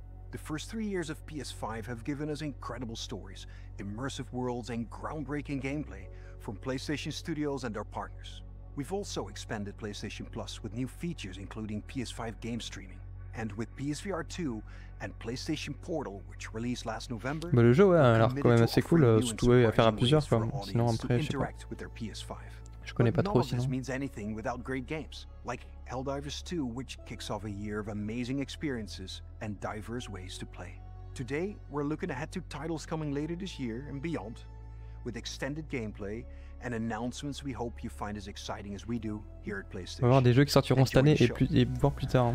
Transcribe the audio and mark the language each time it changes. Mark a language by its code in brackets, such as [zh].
[en] The first 3 years of PS5 have given us incredible stories, immersive worlds and groundbreaking gameplay from PlayStation Studios and our partners. We've also expanded PlayStation Plus with new features including PS5 game streaming. And with PSVR 2 and PlayStation Portal, which released last November, [fr] bah le jeu ouais, alors quand même assez cool, surtout à faire à plusieurs quoi. Sinon après, je sais pas. Je connais pas trop sinon. [en] Means anything without great games, like Helldivers 2, which kicks off a year of amazing experiences and diverse ways to play. Today, we're looking ahead to titles coming later this year and beyond, with extended gameplay and announcements we hope you find as exciting as we do here at PlayStation. [fr] On va voir des jeux qui sortiront cette année et plus, et voir plus tard.